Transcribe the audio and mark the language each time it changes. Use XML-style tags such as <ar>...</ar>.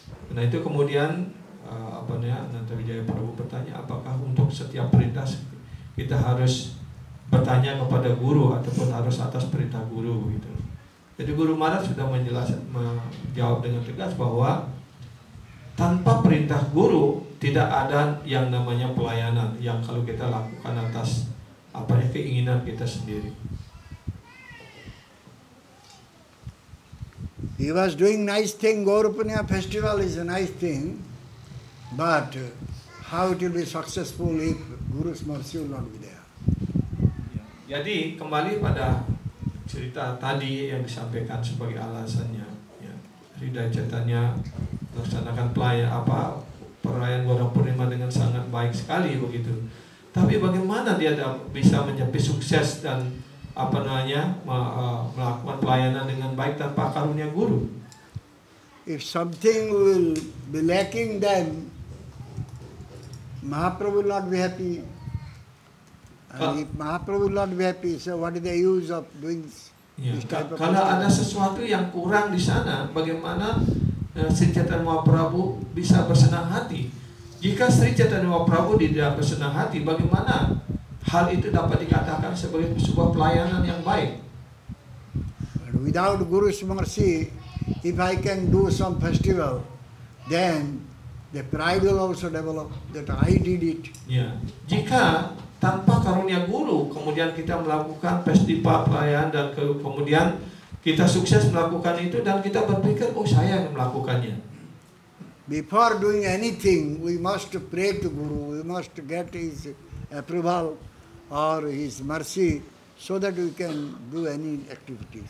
<id>Nah itu kemudian Nanta Wijaya Prabhu bertanya, apakah untuk setiap perintah kita harus bertanya kepada guru ataupun harus atas perintah guru gitu. Jadi Guru Maharaj sudah menjawab dengan tegas bahwa tanpa perintah guru tidak ada yang namanya pelayanan yang kalau kita lakukan atas keinginan kita sendiri.</id> <en>He was doing nice thing, Gaura Purnima festival is a nice thing, but how it will be successful if Guru's mercy will not be there?</en> <id>Ya. Jadi kembali pada cerita tadi yang disampaikan sebagai alasannya, ya, Hridaya Chaitanya melaksanakan perayaan Gaura Purnima dengan sangat baik sekali begitu. Tapi bagaimana dia bisa menjadi sukses dan melakukan pelayanan dengan baik tanpa karunia guru?</id> <en>If something will be lacking, then Mahaprabhu will not be happy. And if Mahaprabhu will not be happy, so what is the use of doing this?</en> <id>Kalau ada sesuatu yang kurang di sana, bagaimana Sri Chaitanya Mahaprabhu bisa bersenang hati? Jika Sri Chaitanya Mahaprabhu tidak bersenang hati, bagaimana hal itu dapat dikatakan sebagai sebuah pelayanan yang baik?</id> <en>But without Guru's mercy, if I can do some festival, then the pride will also develop that I did it.</en> <id>Ya, jika tanpa karunia guru, kemudian kita melakukan festival pelayanan dan kemudian kita sukses melakukan itu dan kita berpikir, oh saya yang melakukannya.</id> <en>Before doing anything, we must pray to Guru. We must get his approval or his mercy, so that we can do any activities.</en>